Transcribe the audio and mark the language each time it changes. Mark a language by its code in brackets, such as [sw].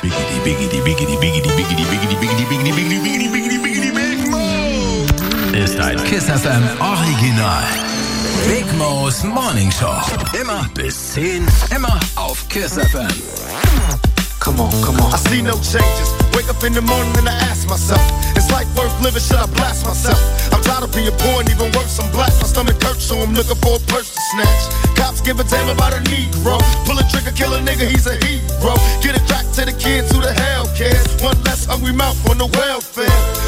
[de] Biggity, biggity, biggity, biggity, biggity, biggity, biggity, biggity, biggity, biggity, biggity, biggity, Big Mo. Ist ein Kiss FM Original. Big Mo's Morning Show. Immer bis 10, immer auf Kiss FM. [en] Come on, come on. I see no changes. Wake up in the morning and I ask myself, is life worth living? Should I blast myself? I'm tired of being poor and even worse, I'm black. My stomach hurts, so I'm looking for a purse to snatch. Cops give a damn about a Negro. Pull a trigger, kill a nigga, he's a hero. Get it back to the kids, who the hell cares? One less hungry mouth on the welfare.